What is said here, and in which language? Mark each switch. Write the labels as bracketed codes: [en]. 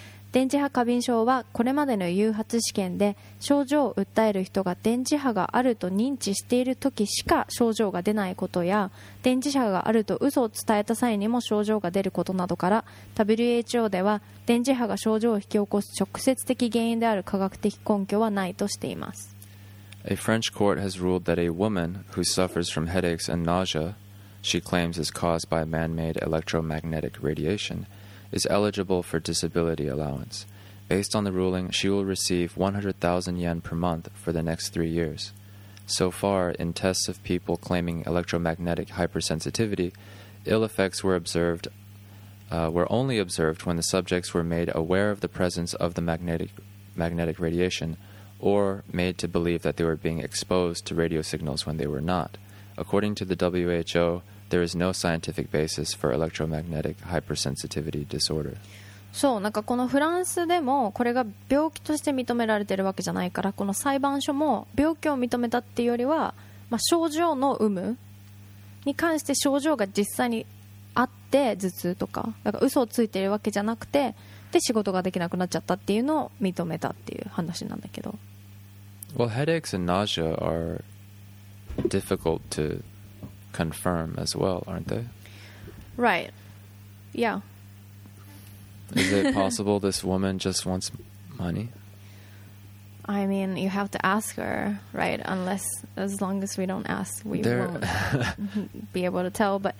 [ja] 電磁波過敏症はこれまでの誘発試験で症状を訴える人が電磁波があると認知している時しか症状が出ないことや、電磁波があると嘘を伝えた際にも症状が出ることなどから、 WHO では電磁波が症状を引き起こす直接的原因である科学的根拠はないとしています。 [en] A French court has ruled that a woman who suffers from headaches and nausea she claims is caused by man-made electromagnetic radiation is eligible for disability allowance. Based on the ruling, she will receive 100,000 yen per month for the next 3 years. So far, in tests of people claiming electromagnetic hypersensitivity, ill effects were only observed when the subjects were made aware of the presence of the magnetic radiation or made to believe that they were being exposed to radio signals when they were not. According to the WHO,There is no scientific basis for electromagnetic hypersensitivity disorder. [ja] そう、なんかこのフランスでもこれが病気として認められてるわけじゃないから、この裁判所も病気を認めたっていうよりは、まあ、症状の有無に関して症状が実際にあって頭痛とか、なんか嘘をついてるわけじゃなくて、で仕事ができなくなっちゃったっていうのを認めたっていう話なんだけど。 [en] Well, headaches and nausea are difficult toconfirm as well, aren't they? Right. Yeah. Is it possible this woman just wants money? I mean, you have to ask her, right? Unless, as long as we don't ask, won't be able to tell, but...